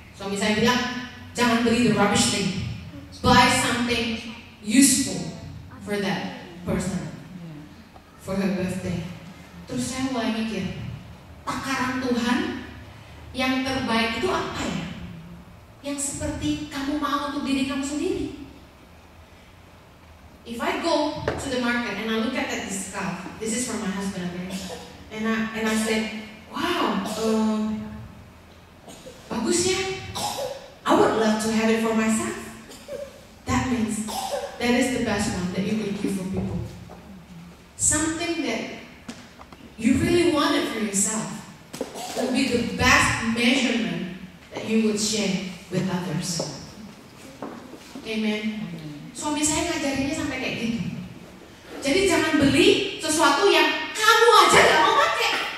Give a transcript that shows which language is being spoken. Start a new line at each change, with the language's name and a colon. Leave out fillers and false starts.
Indonesian: Suami saya bilang, jangan beli
English: the rubbish thing. Buy something useful for that person, for her birthday.
Indonesian: Terus saya mulai mikir, takaran Tuhan yang terbaik itu apa ya? Yang seperti kamu mau untuk diri kamu sendiri.
English: If I go to the market and I look at this scarf, this is for my husband, okay? And I said, wow,
Indonesian: bagus ya.
English: I would love to have it for myself. That means that is the best one that you can give for people. Something that you really wanted for yourself will be the best measurement that you would share with others. Amen.
Indonesian: Suami saya ngajarinnya sampai kayak gitu. Jadi jangan beli sesuatu yang kamu aja gak mau pakai.